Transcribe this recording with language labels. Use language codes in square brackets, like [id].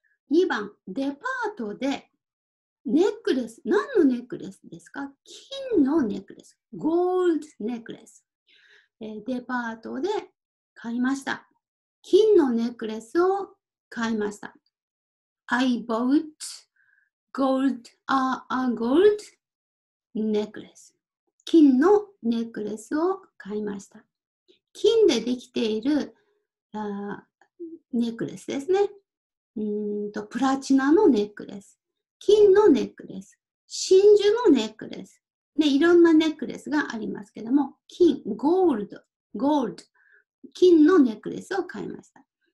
[ja] 2番、デパートでネックレス。何のネックレスですか？金のネックレス。ゴールドネックレス。デパートで買いました。金のネックレスを買いました。 [en] I bought gold, a gold necklace. [ja] 金のネックレスを買いました。金でできている、ネックレスですね。プラチナのネックレス、金のネックレス、真珠のネックレス、ね、いろんなネックレスがありますけども、金、ゴールド、金のネックレスを買いました。